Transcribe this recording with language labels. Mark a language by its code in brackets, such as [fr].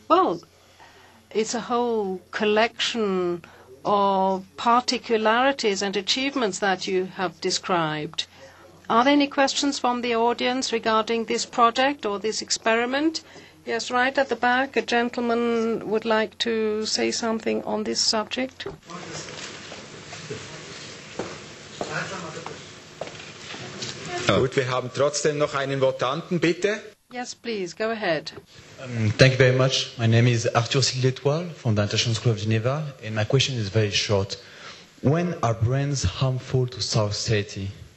[en] Well, it's a whole collection of particularities and achievements that you have described. Are there any questions from the audience regarding this project or this experiment? Yes, right at the back, a gentleman would like to say something on this subject. [de] Gut, wir haben trotzdem noch einen Votanten, bitte. [en] Yes, please, go ahead. Thank you very much. My name is Arthur Sigletoile from the International School of Geneva, and my question is very short. When are brands harmful to society?